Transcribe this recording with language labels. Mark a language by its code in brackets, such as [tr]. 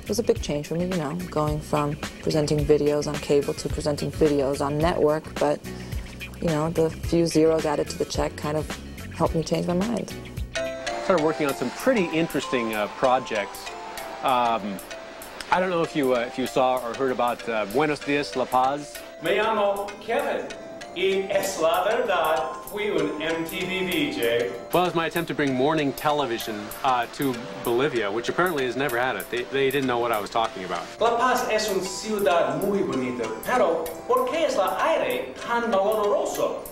[en] It was a big change for me, you know, going from presenting videos on cable to presenting videos on network, but, you know, the few zeros added to the check kind of helped me change my mind. I started working on some pretty interesting projects. I don't know if you saw or heard about Buenos Dias, La Paz. [es] Me llamo Kevin, y es la verdad, fui un MTV DJ. [en] Well, it's my attempt to bring morning television to Bolivia, which apparently has never had it. They didn't know what I was talking about. [es] La Paz es un ciudad muy bonita, pero ¿por qué es la aire tan doloroso?